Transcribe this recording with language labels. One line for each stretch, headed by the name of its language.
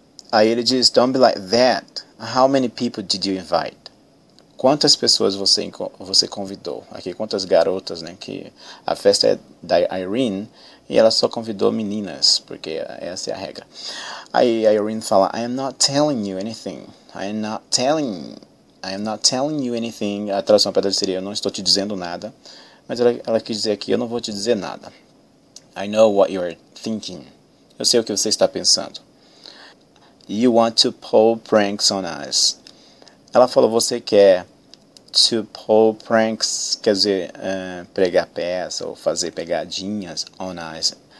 Portuguese: Aí ele diz,
English: don't be like that, how many people did you invite?
Portuguese: Quantas pessoas você convidou? Aqui, quantas garotas, né? Que a festa é da Irene e ela só convidou meninas, porque essa é a regra. Aí a Irene fala,
English: I am not telling you anything. I am not telling you anything.
Portuguese: A tradução para ela seria, eu não estou te dizendo nada. Mas ela quis dizer aqui, eu não vou te dizer nada.
English: I know what you are thinking.
Portuguese: Eu sei o que você está pensando.
English: You want to pull pranks on us.
Portuguese: Ela falou, você quer
English: to pull pranks,
Portuguese: quer dizer, pregar peça ou fazer pegadinhas
English: on us.